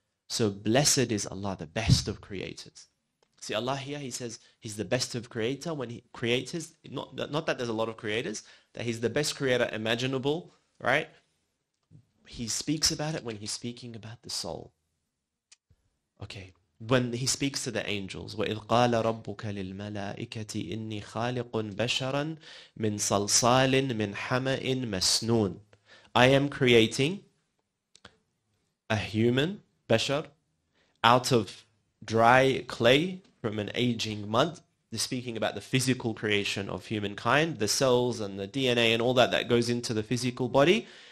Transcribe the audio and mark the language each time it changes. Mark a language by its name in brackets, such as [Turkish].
[English] So blessed is Allah, the best of creators. See, Allah here, He says He's the best of creator when He creates. Not that there's a lot of creators, that He's the best creator imaginable, right? He speaks about it when He's speaking about the soul. Okay, when He speaks to the angels, [Arabic] وَإِذْ قَالَ رَبُّكَ لِلْمَلَائِكَةِ إِنِّي خَالِقٌ بَشَرًا مِنْ صَلْصَالٍ مِنْ حَمَإٍ مَسْنُونٍ. [English] I am creating a human, bashar, out of dry clay from an aging mud. They're speaking about the physical creation of humankind, the cells and the DNA and all that that goes into the physical body.